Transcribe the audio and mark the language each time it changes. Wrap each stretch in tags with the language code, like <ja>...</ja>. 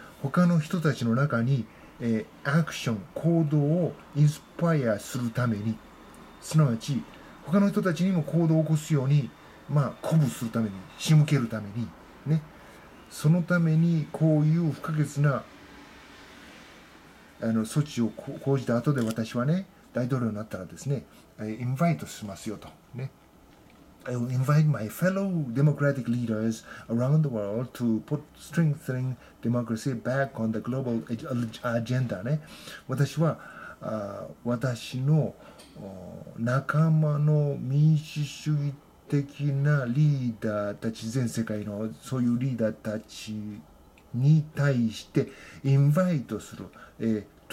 <ja>他の人たちの中に、アクション、行動をインスパイアするために、すなわち他の人たちにも行動を起こすように、まあ鼓舞するために、仕向けるためにね、そのためにこういう不可欠な措置を講じた後で、私はね、大統領になったらですね、インバイトしますよとね。</ja> <en>I will invite my fellow democratic leaders around the world to put strengthening democracy back on the global agenda ね。</en> <ja>私は私の仲間の民主主義的なリーダーたち、全世界のそういうリーダーたちに対してインバイトする、</ja>